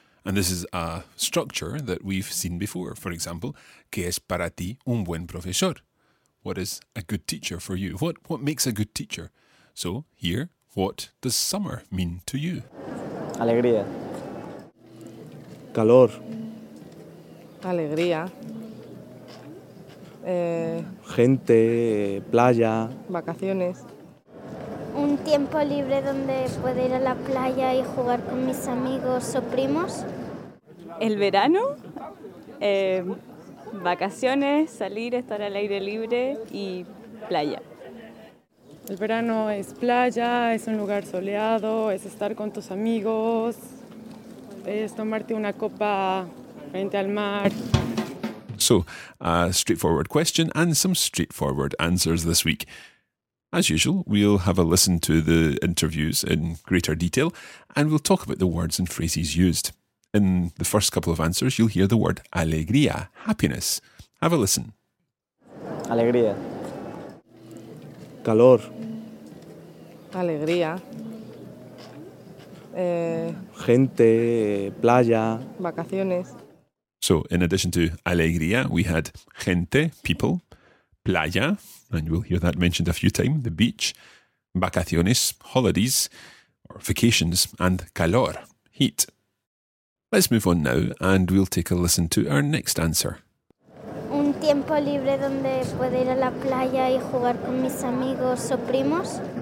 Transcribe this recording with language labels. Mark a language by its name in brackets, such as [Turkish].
[English] And this is a structure that we've seen before. For example, [Spanish] ¿qué es para ti un buen profesor? [English] What is a good teacher for you? What makes a good teacher? So here, what does summer mean to you? [Spanish] Alegría. Calor. Alegría. Gente, playa. Vacaciones. Un tiempo libre donde puedo ir a la playa y jugar con mis amigos o primos. El verano. Vacaciones, salir, estar al aire libre y playa. El verano es playa, es un lugar soleado, es estar con tus amigos, es tomarte una copa frente al mar. [English] So, a straightforward question and some straightforward answers this week. As usual, we'll have a listen to the interviews in greater detail and we'll talk about the words and phrases used. In the first couple of answers, you'll hear the word alegría, happiness. Have a listen. [Spanish] Alegría. Calor. Alegría. Gente, playa. Vacaciones. [English] So, in addition to alegría, we had gente, people, playa, and you'll hear that mentioned a few times, the beach, vacaciones, holidays, or vacations, and calor, heat. Let's move on now and we'll take a listen to our next answer. [Spanish] Un tiempo libre donde puedo ir a la playa y jugar con mis amigos o primos.